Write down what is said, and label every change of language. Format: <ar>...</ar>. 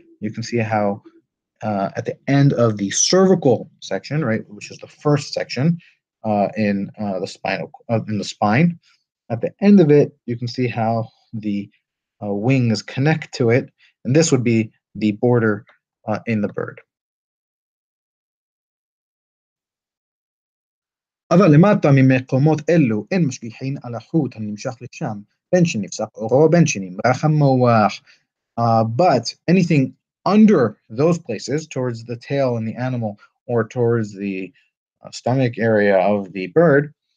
<en>You can see how at the end of the cervical section, right, which is the first section in the spine, at the end of it, you can see how the wings connect to it, and this would be the border in the bird.</en> <he>אבל למטה ממקומות אלו אין משגיחין על החוט הנמשך לשם, בין שנפסק אורו בין שנמרח המוח.</he> <en>But anything under those places, towards the tail and the animal, or towards the stomach area of the bird,</en>